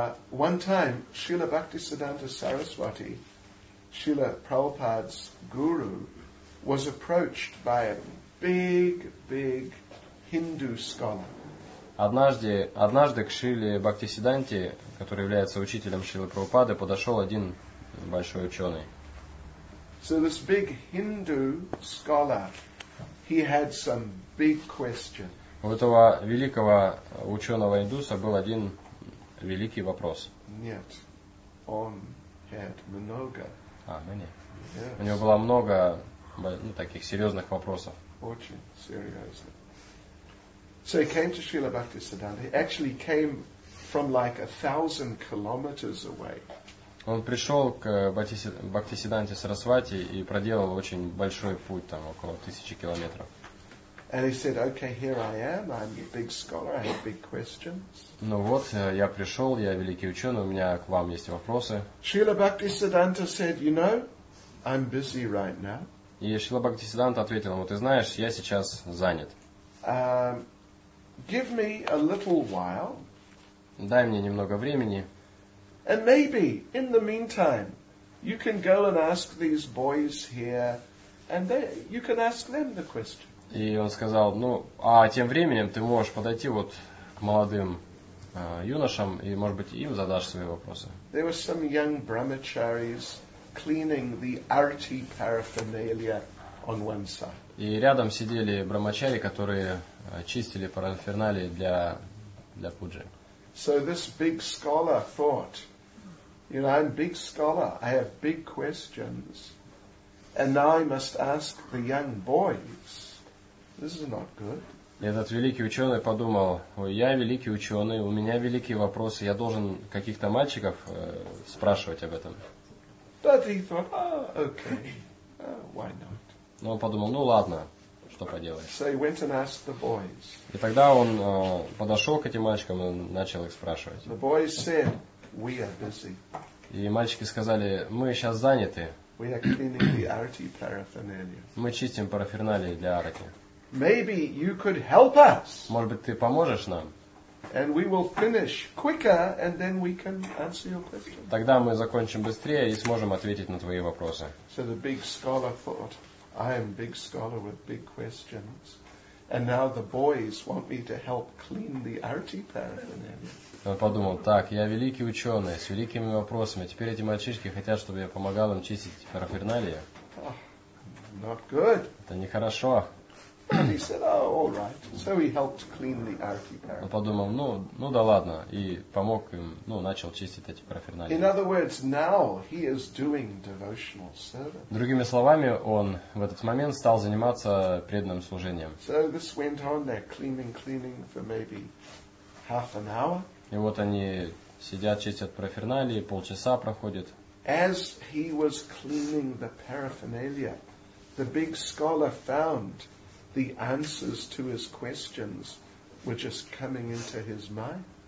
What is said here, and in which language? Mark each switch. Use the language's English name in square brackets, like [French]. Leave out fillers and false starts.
[English] One time, Srila Bhaktisiddhanta Saraswati, Srila Prabhupada's guru, was approached by a big, big Hindu scholar. [Russian] Однажды к Шриле Бхактисиданте, который является учителем Шрилы Прабхупады, подошел один большой ученый. [English] So this big Hindu scholar, he had some big question. [Russian] У этого великого ученого индуса был один великий вопрос. Нет, он [English] had [Russian] много. У него было много, ну, таких серьезных вопросов. Очень серьезно. [English] So he came to Srila Bhaktisiddhanta. He actually came from like 1,000 kilometers away. [Russian] Он пришел к Бхактисиддханте Сарасвати и проделал очень большой путь, там около 1000 километров. [English] And he said, "Okay, here I am. I'm a big scholar. I have big questions." [Russian] Ну вот, я пришел, я великий ученый, у меня к вам есть вопросы. [English] Srila Bhaktisiddhanta said, "You know, I'm busy right now." [Russian] И Srila Bhaktisiddhanta ответил ему, "Ты знаешь, я сейчас занят." [English] Give me a little while. [Russian] Дай мне немного времени. [English] And maybe in the meantime, you can go and ask these boys here, and they, you can ask them the question. [Russian] И он сказал, ну, а тем временем ты можешь подойти вот к молодым юношам и, может быть, им задашь свои вопросы. [English] There were some young brahmacharis cleaning the arti paraphernalia on one side. [Russian] И рядом сидели брахмачари, которые чистили параферналии для пуджи. [English] So this big scholar thought, you know, I'm a big scholar, I have big questions, and now I must ask the young boys. This is not good. [Russian] Этот великий ученый подумал, я великий ученый, у меня великие вопросы, я должен каких-то мальчиков спрашивать об этом. [English] But he thought, oh, okay, why not? [Russian] Но он подумал, ну ладно, что поделать. [English] So he went and asked the boys. [Russian] И тогда он подошел к этим мальчикам и начал их спрашивать. [English] The boys said, we are busy. [Russian] И мальчики сказали, мы сейчас заняты. [English] We are cleaning the arati paraphernalia. [Russian] Мы чистим параферналии для арати. [English] Maybe you could help us. [Russian] Может быть, ты поможешь нам? [English] And we will finish quicker, and then we can answer your question. [Russian] Тогда мы закончим быстрее и сможем ответить на твои вопросы. [English] So the big scholar thought, I am big scholar with big questions, and now the boys want me to help clean the arti paraphernalia. [Russian] Он подумал, так, я великий ученый, с великими вопросами, теперь эти мальчишки хотят, чтобы я помогал им чистить параферналии. [English] Not good. [Russian] Это нехорошо. [English] He said, oh, all right. So he helped clean the arti paraphernalia. [Russian] Он подумал, ну да ладно, и помог им, ну, начал чистить эти параферналии. [English] In other words, now he is doing devotional service. [Russian] Другими словами, он в этот момент стал заниматься преданным служением. [English] So this went on, they're cleaning for maybe half an hour. [Russian] И вот они сидят, чистят параферналии, полчаса проходит. [English] As he was cleaning the paraphernalia, the big scholar found the answers to his questions were just coming into his mind.